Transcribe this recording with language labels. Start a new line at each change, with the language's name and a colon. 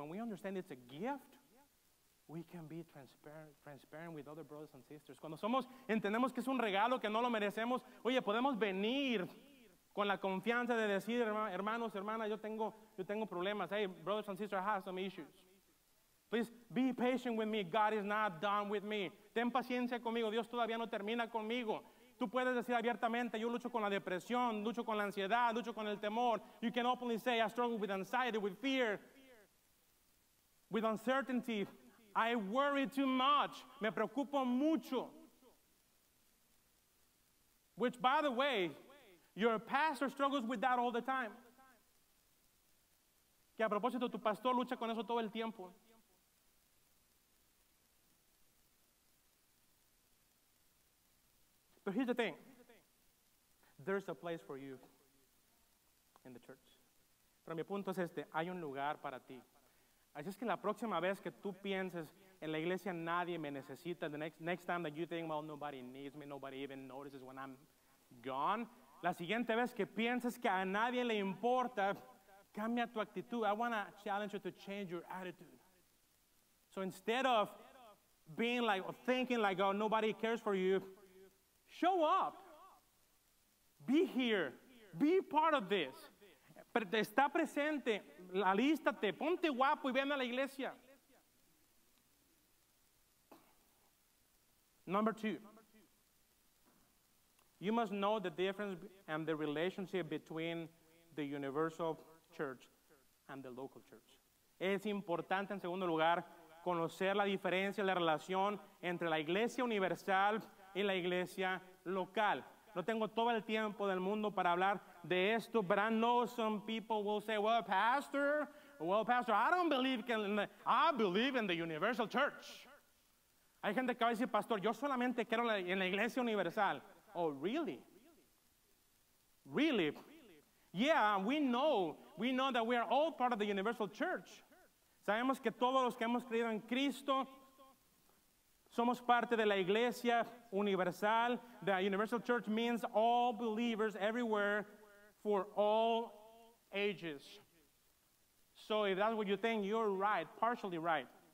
English: When we understand it's a gift, we can be transparent with other brothers and sisters.
Spanish: Cuando entendemos que es un regalo, que no lo merecemos, oye, podemos venir con la confianza de decir, hermanos, hermanas, yo tengo problemas.
English: Hey, brothers and sisters, I have some issues. Please be patient with me. God is not done with me.
Spanish: Ten paciencia conmigo. Dios todavía no termina conmigo. Tú puedes decir abiertamente, yo lucho con la depresión, lucho con la ansiedad, lucho con el temor.
English: You can openly say, I struggle with anxiety, with fear, with uncertainty. I worry too much.
Spanish: Me preocupo mucho.
English: Which, by the way, your pastor struggles with that all the time.
Spanish: Que a propósito, tu pastor lucha con eso todo el tiempo.
English: But here's the thing. There's a place for you in the church.
Spanish: Pero mi punto es este. Hay un lugar para ti. Así es que la próxima vez que tú pienses, en la iglesia nadie me necesita.
English: The next time that you think, well, nobody needs me, nobody even notices when I'm gone.
Spanish: La siguiente vez que pienses que a nadie le importa, cambia tu actitud.
English: I want to challenge you to change your attitude. So instead of being like, or thinking like, oh, nobody cares for you, show up. Be here. Be part of this.
Spanish: Está presente. Alístate. Ponte guapo y ven a la iglesia.
English: Number two. You must know the difference and the relationship between the universal church and the local church.
Spanish: Es importante, en segundo lugar, conocer la diferencia, la relación entre la iglesia universal y la iglesia local. No tengo todo el tiempo del mundo para hablar de esto,
English: but I know some people will say, well, pastor, I believe in the universal church.
Spanish: Hay gente que va a decir, pastor, yo solamente quiero en la iglesia universal.
English: Oh, really? Really? Yeah, we know that we are all part of the universal church.
Spanish: Sabemos que todos los que hemos creído en Cristo somos parte de la iglesia universal.
English: The universal church means all believers everywhere for all ages. So if that's what you think, you're right, partially right.